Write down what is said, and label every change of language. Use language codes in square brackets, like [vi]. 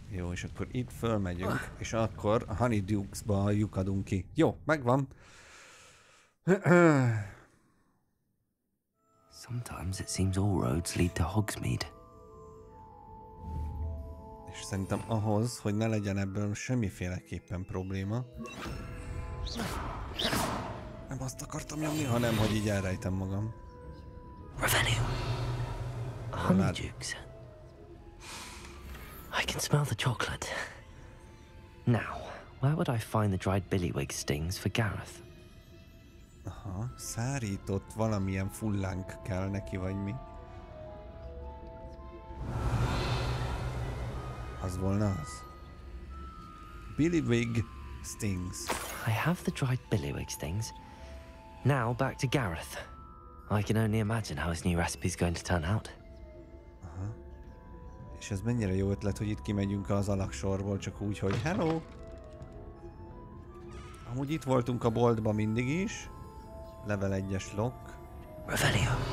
[hu] Jó, és akkor itt fölmegyünk, és akkor a honeydukesba lyukadunk ki. Jó, megvan. [en] Sometimes it seems all roads lead to Hogsmeade. [hu] És szerintem ahhoz, hogy ne legyen ebből semmiféleképpen probléma. Nem azt akartam nyomni, hanem hogy így elrejtem magam. Revelio. A honeydukes. [en] I can smell the chocolate. Now, where would I find the dried billywig stings for Gareth? [hu] Aha, szárított valamilyen fullánk kell neki, vagy mi? Az volna az. Billywig stings. [en] I have the dried billywig stings. Now back to Gareth. I can only imagine how his new recipe is going to turn out. Aha. [hu] És ez mennyire jó ötlet, hogy itt kimegyünk az alaksorból, csak úgy, hogy hello! Amúgy itt voltunk a boltban mindig is. Level 1-es lock. Revelio.